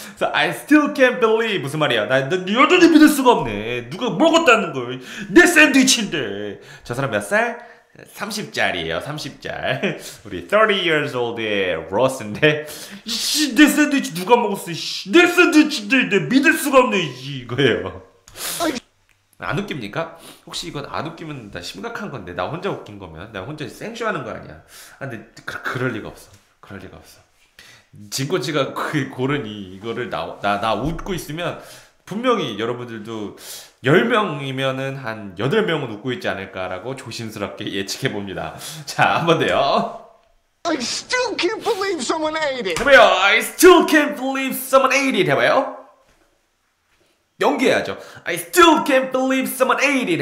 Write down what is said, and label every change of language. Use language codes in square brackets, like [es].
[ko] 그래서 [en] I still can't believe [ko] 무슨 말이야? 나 여전히 믿을 수가 없네. 누가 먹었다는 걸 내 샌드위치인데. 저 사람 몇 살? 30짜리예요. 30짤. 우리 30 years old의 로스인데 씨, 내 샌드위치 누가 먹었어? 씨, 내 샌드위치인데 내 믿을 수가 없네 이거예요. 안 웃깁니까? 혹시 이건 안 웃기면 나 심각한 건데 나 혼자 웃긴 거면 나 혼자 생쇼하는 거 아니야? 아, 근데 그럴 리가 없어. 그럴 리가 없어. 진코치가 그 고른 이거를 나 웃고 있으면 분명히 여러분들도 10명이면은 한 8명은 웃고 있지 않을까라고 조심스럽게 예측해 봅니다. 자, 한번 돼요. [en] I still can't believe someone ate it. [ko] 해봐요. [en] I still can't believe someone ate it. [ko] 해봐요. 연기해야죠. [en] I still can't believe someone ate it.